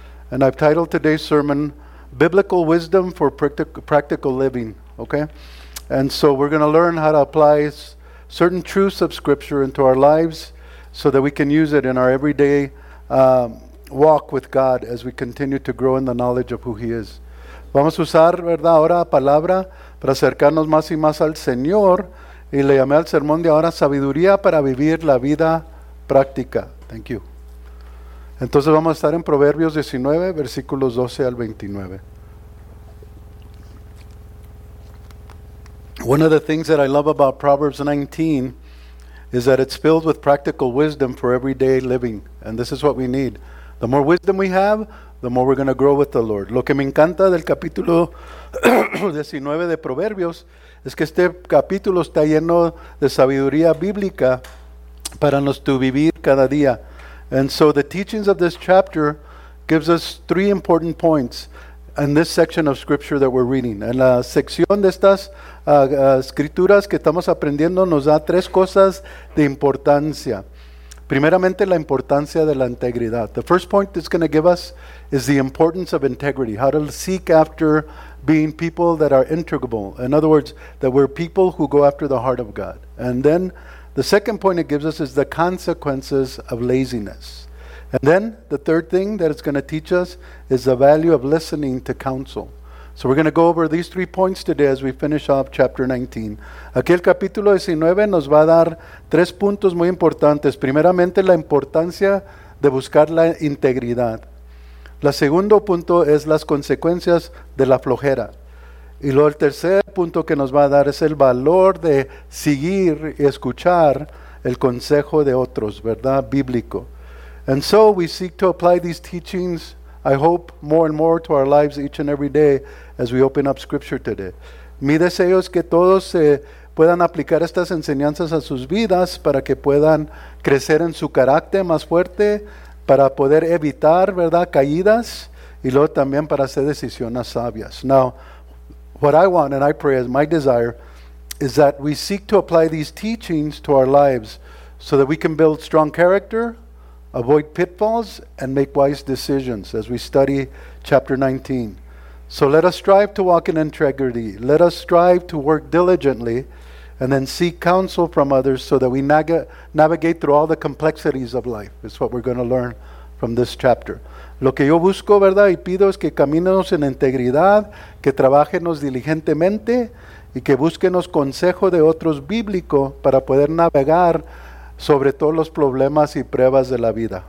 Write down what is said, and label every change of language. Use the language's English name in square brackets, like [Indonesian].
[English] And I've titled today's sermon, Biblical Wisdom for Practical Living. Okay? And so we're going to learn how to apply certain truths of Scripture into our lives so that we can use it in our everyday walk with God as we continue to grow in the knowledge of who He is. [Spanish] Vamos a usar, ¿verdad?, ahora palabra para acercarnos más y más al Señor. Y le llamé al sermón de ahora Sabiduría para Vivir la Vida Práctica. [English] Thank you. [Spanish] Entonces vamos a estar en Proverbios 19, versículos 12 al 29. [English] One of the things that I love about Proverbs 19 is that it's filled with practical wisdom for everyday living. And this is what we need. The more wisdom we have, the more we're going to grow with the Lord. [Spanish] Lo que me encanta del capítulo 19 de Proverbios es que este capítulo está lleno de sabiduría bíblica para nuestro vivir cada día. [English] And so the teachings of this chapter gives us three important points in this section of scripture that we're reading. [Spanish] En la sección de estas escrituras que estamos aprendiendo nos da tres cosas de importancia. Primeramente, la importancia de la integridad. [English] The first point it's going to give us is the importance of integrity. How to seek after being people that are integral. In other words, that we're people who go after the heart of God. And then the second point it gives us is the consequences of laziness. And then the third thing that it's going to teach us is the value of listening to counsel. So we're going to go over these three points today as we finish off chapter 19. [Spanish] Aquí el capítulo 19 nos va a dar tres puntos muy importantes. Primeramente, la importancia de buscar la integridad. El segundo punto es las consecuencias de la flojera. Y luego el tercer punto que nos va a dar es el valor de seguir y escuchar el consejo de otros, ¿verdad? Bíblico. [English] And so we seek to apply these teachings, I hope, more and more to our lives each and every day as we open up Scripture today. [Spanish] Mi deseo es que todos puedan aplicar estas enseñanzas a sus vidas para que puedan crecer en su carácter más fuerte, para poder evitar, ¿verdad?, caídas y luego también para hacer decisiones sabias. [English] Now, what I want and I pray as my desire is that we seek to apply these teachings to our lives so that we can build strong character, avoid pitfalls, and make wise decisions as we study chapter 19. So let us strive to walk in integrity. Let us strive to work diligently and then seek counsel from others so that we navigate through all the complexities of life. It's what we're going to learn from this chapter. [Spanish] Lo que yo busco, ¿verdad?, y pido es que caminemos en integridad, que trabajemos diligentemente y que busquemos consejo de otros bíblico para poder navegar sobre todos los problemas y pruebas de la vida.